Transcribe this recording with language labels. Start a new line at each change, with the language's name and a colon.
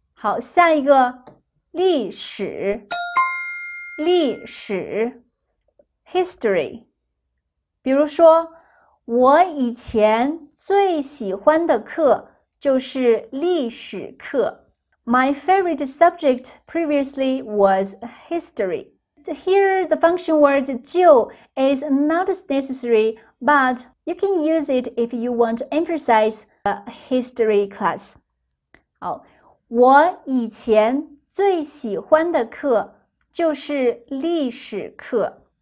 Chinese: 好，下一个历史，历史
English: ，history。
Chinese: 比如说，我以前最喜欢的课就是历史课。
English: My favorite subject previously was history. Here, the function word 就 is not necessary, but you can use it if you want to emphasize a history class.
Chinese: 好，我以前最喜欢的课就是历史课。